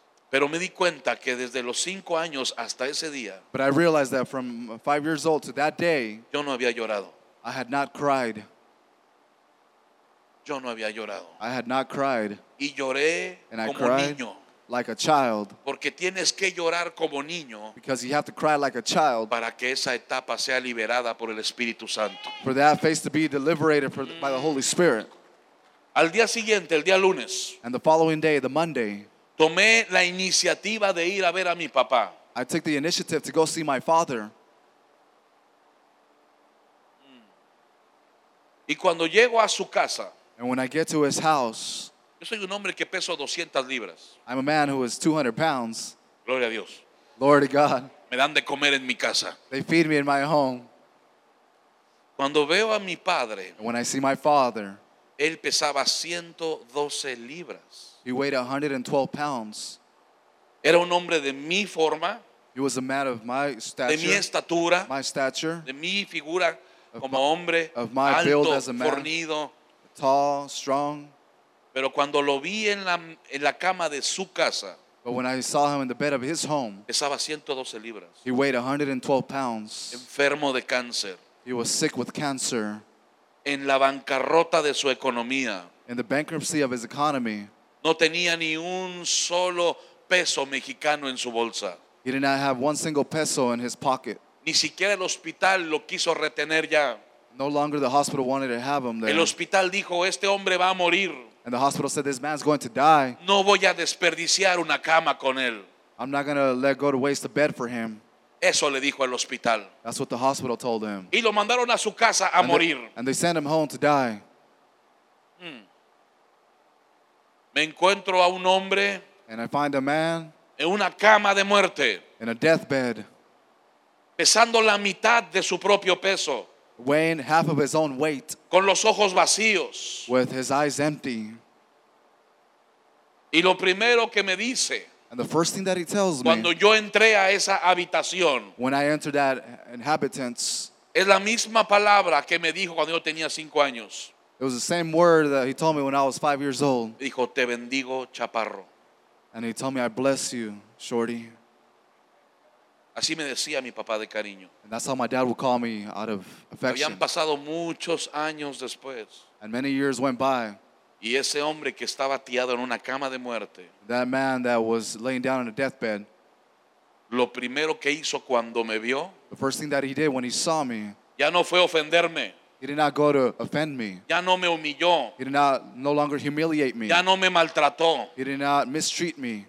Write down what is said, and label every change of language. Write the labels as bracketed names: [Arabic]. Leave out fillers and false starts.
[Spanish] Pero me di cuenta que desde los 5 años hasta ese día. [English] But I realized that from 5 years old to that day. [Spanish] Yo no había llorado. [English] I had not cried. [Spanish] Yo no había llorado. [English] I had not cried. [Spanish] Y lloré [English] and [Spanish] como [English] I cried [Spanish] niño. [English] Like a child. [Spanish] Porque tienes que llorar como niño. [English] Because you have to cry like a child. [Spanish] Para que esa etapa sea liberada por el Espíritu Santo. [English] For that face to be liberated by the Holy Spirit. [Spanish] Al día siguiente, el día lunes. [English] And the following day, the Monday. [Spanish] Tomé la iniciativa de ir a ver a mi papá. [English] I took the initiative to go see my father. [Spanish] Y cuando llego a su casa. [English] And when I get to his house. [Spanish] Yo soy un hombre que peso 200 libras. [English] I'm a man who is 200 pounds. [Spanish] Gloria a Dios. [English] Glory to God. [Spanish] Me dan de comer en mi casa. [English] They feed me in my home. [Spanish] Cuando veo a mi padre. [English] And when I see my father. [Spanish] Él pesaba 112 libras. [English] He weighed 112 pounds. [Spanish] Era un hombre de mi forma. [English] He was a man of my stature. [Spanish] De mi estatura. [English] My stature. [Spanish] De mi figura como hombre. [English] Of my [Spanish] alto, [English] build as a man. [Spanish] Fornido. [English] Tall, strong. [Spanish] Pero cuando lo vi en la cama de su casa. [English] But when I saw him in the bed of his home. [Spanish] Pesaba 112 libras. [English] He weighed 112 pounds. [Spanish] Enfermo de cáncer. [English] He was sick with cancer. [Spanish] En la bancarrota de su economía. [English] In the bankruptcy of his economy. [Spanish] No tenía ni un solo peso mexicano en su bolsa. [English] He did not have one single peso in his pocket. [Spanish] Ni siquiera el hospital lo quiso retener ya. [English] No longer the hospital wanted to have him there. [Spanish] El hospital dijo, este hombre va a morir. [English] And the hospital said, this man's going to die. [Spanish] No voy a desperdiciar una cama con él. [English] I'm not going to let go to waste a bed for him. [Spanish] Eso le dijo al hospital. [English] That's what the hospital told him. [Spanish] Y lo mandaron a su casa a morir. [English] And they sent him home to die. [Spanish] Me encuentro a un hombre [English] and I find a man [Spanish] en una cama de muerte, [English] in a deathbed, [Spanish] pesando la mitad de su propio peso, [English] weighing half of his own weight, [Spanish] con los ojos vacíos, [English] with his eyes empty. [Spanish] Y lo primero que me dice, [English] and the first thing that he tells me, [Spanish] cuando yo entré a esa habitación, [English] when I entered that inhabitants, [Spanish] es la misma palabra que me dijo cuando yo tenía 5 años. [English] It was the same word that he told me when I was 5 years old. [Spanish] Dijo, te bendigo, chaparro. [English] And he told me, I bless you, shorty. [Spanish] Así me decía mi papá de cariño. [English] And that's how my dad would call me out of affection. [Spanish] Habían pasado muchos años después. [English] And many years went by. [Spanish] Y ese hombre que estaba tirado en una cama de muerte, [English] that man that was laying down in a deathbed, [Spanish] lo primero que hizo cuando me vio, [English] the first thing that he did when he saw me, [Spanish] ya no fue ofenderme. [English] He did not go to offend me. [Spanish] Ya no me humilló. [English] He did not no longer humiliate me. [Spanish] Ya no me maltrató. [English] He did not mistreat me.